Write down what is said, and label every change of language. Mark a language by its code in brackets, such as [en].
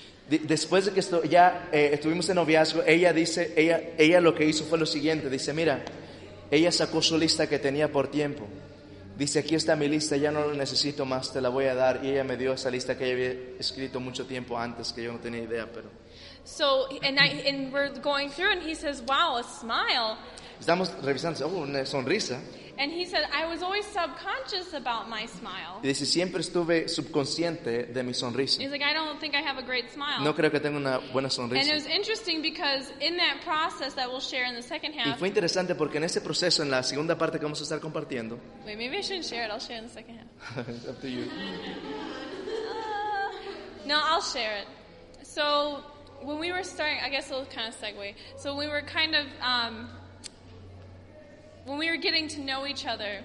[es] Después de que esto, ya estuvimos en noviazgo, ella dice, ella lo que hizo fue lo siguiente, dice, mira, ella sacó su lista que tenía por tiempo. Dice, aquí está mi lista, ya no la necesito más, te la voy a dar. Y ella me dio esa lista que ella había escrito mucho tiempo antes, que yo no tenía idea, pero. [en] So, and we're going through, and he says, wow, a smile. [es] Estamos revisando, oh, una sonrisa. [en] And he said, I was always subconscious about my smile. [es] Y dice, siempre estuve subconsciente de mi sonrisa. [en] He's like, I don't think I have a great smile. [es] No creo que tenga una buena sonrisa. [en] And it was interesting because in that process that we'll share in the second half. [es] Y fue interesante porque en ese proceso, en la segunda parte que vamos a estar compartiendo. [en] Wait, maybe I shouldn't share it. I'll share in the second half. It's up to you. No, I'll share it. So when we were starting, I guess a little kind of segue. So we were kind of... when we were getting to know each other,